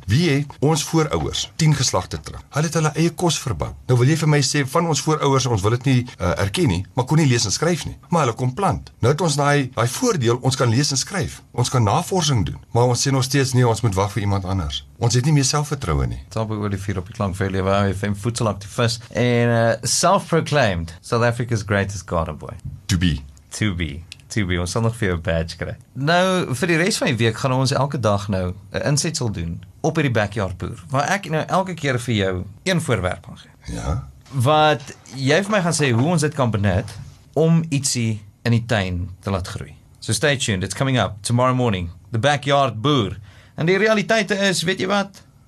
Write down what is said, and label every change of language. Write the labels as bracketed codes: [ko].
[af] Wie het ons voorouers 10 geslagte terug? Hulle het hulle eie kos verbou. Nou wil jy vir my sê van ons voorouers, ons wil dit nie erken nie, maar kon nie lees en skryf nie. Maar hulle kon plant. Nou het ons daai voordeel, ons kan lees en skryf. Ons kan navorsing doen. Maar ons sê nog steeds nie, ons moet wag vir iemand anders. Ons het nie meer selfvertroue nie. Thabo Olivier op die klank vir lewe. OFM voedselaktivis en [en] self-proclaimed South Africa's greatest garden boy. To be. [af] Ons sal nog vir jou badge kry. Nou, vir die rest van die week gaan ons elke dag nou 'n insetsel doen op hierdie backyard boer, waar ek nou elke keer vir jou een voorwerp gaan gee. Ja. Wat jy vir my gaan sê hoe ons dit kan benut om ietsie in die tuin te laat groei. [en] So stay tuned, it's coming up tomorrow morning, the backyard boer. [af] En die realiteit is, weet jy wat?